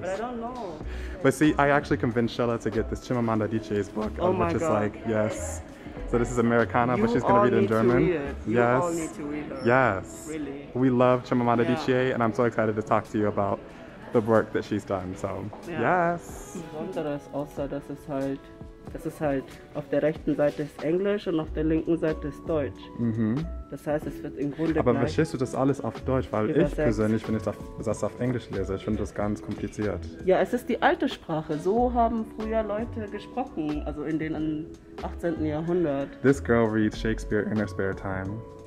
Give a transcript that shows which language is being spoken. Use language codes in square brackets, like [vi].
[en] But I don't know. But see, I actually convinced Shella to get this Chimamanda Adichie's book, which is like, yes. So this is Americana, but she's gonna read it in German. Yes. You all need to read her. Yes. Really. We love Chimamanda Adichie, and I'm so excited to talk to you about the work that she's done. So, yes. [de] Besonders also, das ist halt auf der rechten Seite ist Englisch und auf der linken Seite ist Deutsch. Mhm. Das heißt, es wird im Grunde. Aber verstehst du das alles auf Deutsch? Weil ich persönlich, wenn ich das auf Englisch lese, ich finde das ganz kompliziert. Ja, es ist die alte Sprache. So haben früher Leute gesprochen, also in den 18. Jahrhundert. [en] This girl reads Shakespeare in her spare time.